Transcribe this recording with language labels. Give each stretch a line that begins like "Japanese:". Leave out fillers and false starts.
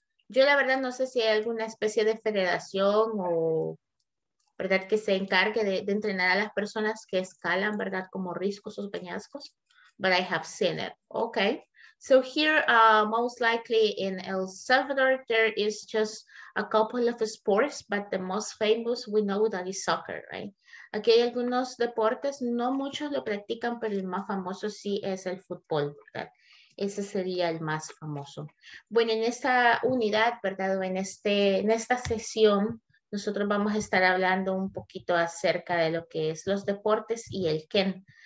Spanish: Yo la verdad no sé si hay alguna especie de federación o, ¿verdad?, que se encargue de entrenar a las personas que escalan, ¿verdad?, como riscos o peñascos.
English: But I have seen it. Okay. So here, most likely in El Salvador, there is just a couple of sports, but the most famous we know that is soccer, right?
Spanish: Aquí hay algunos deportes, no muchos lo practican, pero el más famoso sí es el fútbol, ¿verdad? Ese sería el más famoso. Bueno, en esta unidad, ¿verdad?, o en este, en esta sesión, nosotros vamos a estar hablando un poquito acerca de lo que es los deportes y el Ken.